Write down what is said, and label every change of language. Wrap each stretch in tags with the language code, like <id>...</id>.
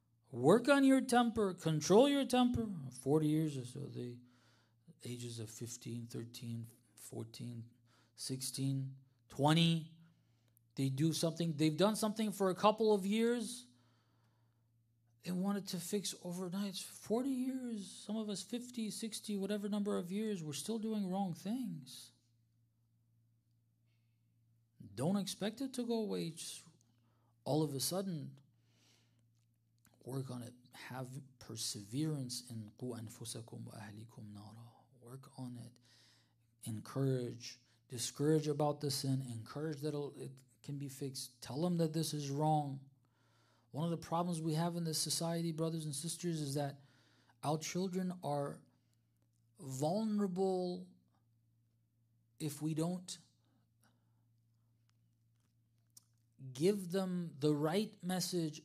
<en>Work on your temper, control your temper. 40 years or so, the ages of 15, 13, 14, 16, 20, they do something, they've done something for a couple of years, they wanted to fix overnight. 40 years, some of us 50, 60, whatever number of years, we're still doing wrong things. Don't expect it to go away just all of a sudden. Work on it. Have perseverance in</en> <ar>قُوْ أَنفُسَكُمْ وَأَهْلِكُمْ نَارًا.</ar> <en>Work on it. Encourage. Discourage about the sin. Encourage that it can be fixed. Tell them that this is wrong. One of the problems we have in this society, brothers and sisters, is that our children are vulnerable if we don't give them the right message.</en>